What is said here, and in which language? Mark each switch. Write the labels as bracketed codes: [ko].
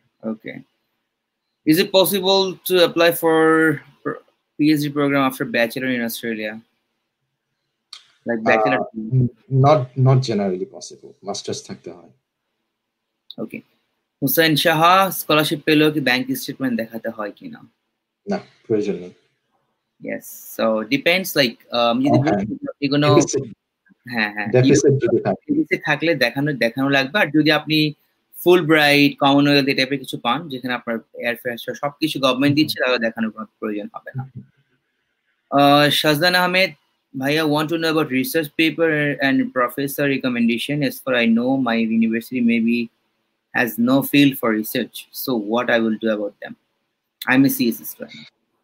[en] okay is it possible to apply for PhD programme after bachelor in Australia like bachelor not generally possible [bn] masters থাকতে হয় ওকে Hussain Shah scholarship পেলেও কি bank statement দেখাতে হয় কি না না প্রয়োজন নেই [en] Yes, so depends like you're gonna deficit [bn] থাকলে দেখানো লাগবে আর যদি আপনি ফুল ব্রাইট কমনওয়েলথ এই টাইপের কিছু পান যেখানে আপনার এয়ারফেয়ার সব কিছু গভর্নমেন্ট দিচ্ছে তাহলে দেখানোর কোনো প্রয়োজন হবে না [en] শাজদান আহমেদ ভাইয়া want to know about research paper and professor recommendation as for I know my university may be has no field for research so what I will do about them I am a CS student